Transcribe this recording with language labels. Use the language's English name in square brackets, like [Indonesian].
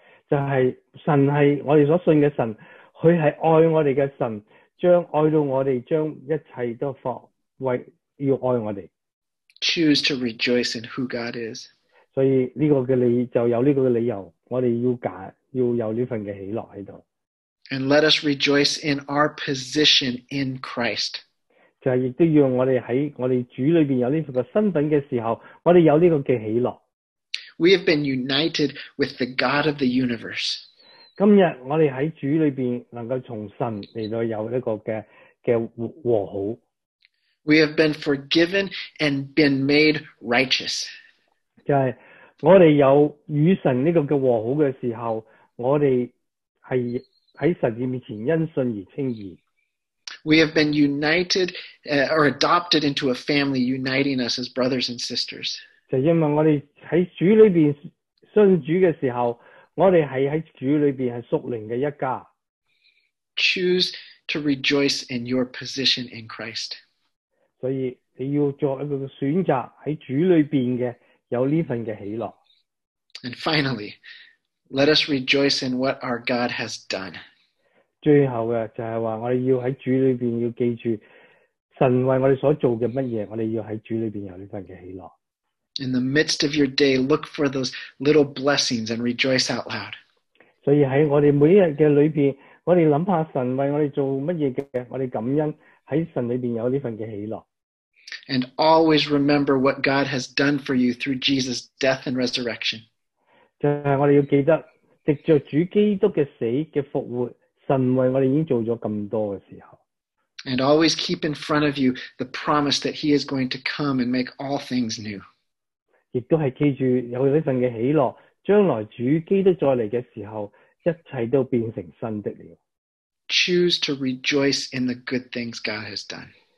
[Chinese] 就是神是我们所信的神，祂是爱我们的神，将爱到我们，将一切都放为要爱我们。 [English] Choose to rejoice in who God is. [Chinese] 所以这个的理就有这个理由，我们要拣，要有这份的喜乐在这里。 [English] And let us rejoice in our position in Christ. [Chinese] 就是也都要我们在我们主里面有这个身份的时候，我们有这个的喜乐。 [English] We have been united with the God of the universe. [Chinese] 今日我们在主里面能够从神来到有这个的和好。 [English] We have been forgiven and been made righteous. [Chinese] 就是我们有与神这个的和好的时候，我们是在神面前因信而称义。 [English] We have been united, or adopted into a family, uniting us as brothers and sisters. [Chinese] 就因为我们在主里面信主的时候，我们是在主里面是属灵的一家。 [English] Choose to rejoice in your position in Christ. [Chinese] 所以你要做一个选择，在主里面的有这份的喜乐。 [English] And finally, let us rejoice in what our God has done. [Chinese] 最后的就是说，我们要在主里面要记住神为我们所做的什么，我们要在主里面有这份的喜乐。 [English] In the midst of your day, look for those little blessings and rejoice out loud. [Chinese] 所以在我们每一天的里面，我们想想神为我们做什么的，我们感恩在神里面有这份的喜乐。 [English] and always remember what God has done for you through Jesus' death and resurrection. [Chinese] 就是我们要记得,藉着主基督的死,的复活, [English] and always keep in front of you the promise that he is going to come and make all things new. [Chinese] 亦都是记住有这份的喜乐,将来主基督再来的时候,一切都变成新的了。 [English] Choose to rejoice in the good things God has done.